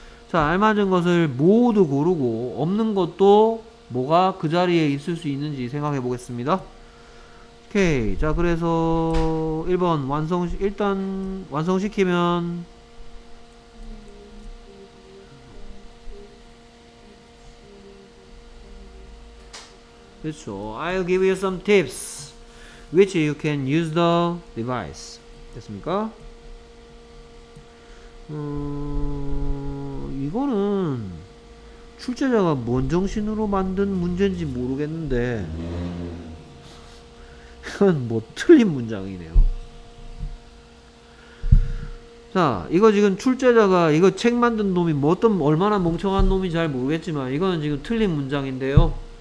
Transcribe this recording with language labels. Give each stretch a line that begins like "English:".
Korean: 자, 알맞은 것을 모두 고르고 없는 것도 뭐가 그 자리에 있을 수 있는지 생각해 보겠습니다. 오케이. 자, 그래서 1번 일단 완성시키면 그렇죠.
English: I'll give you some tips which you can use the device.
Korean: 됐습니까? 이거는 출제자가 뭔 정신으로 만든 문제인지 모르겠는데 이건 뭐 틀린 문장이네요. 자, 이거 지금 출제자가 이거 책 만든 놈이 뭐 어떤 얼마나 멍청한 놈이 잘 모르겠지만 이거는 지금 틀린 문장인데요.